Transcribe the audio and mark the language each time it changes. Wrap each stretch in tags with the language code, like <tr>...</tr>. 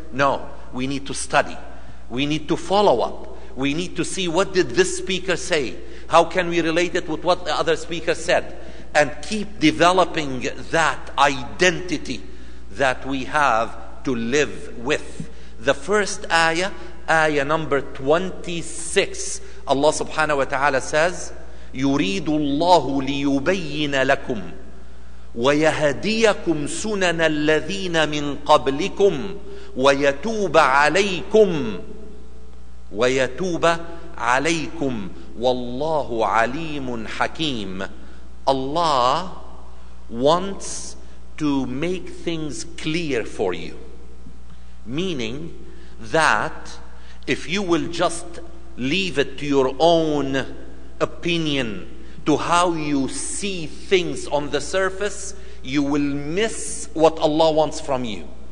<en>No, we need to study. We need to follow up. We need to see what did this speaker say. How can we relate it with what the other speaker said? And keep developing that identity that we have to live with. The first ayah, ayah number 26, Allah subhanahu wa ta'ala says,</en> <ar>يريد الله ليبين لكم ويهديكم سنن الذين من قبلكم ويتوب عليكم والله عليم حكيم.</ar> <en>Allah wants to make things clear for you, meaning that if you will just leave it to your own opinion, to how you see things on the surface, you will miss what Allah wants from you.</en>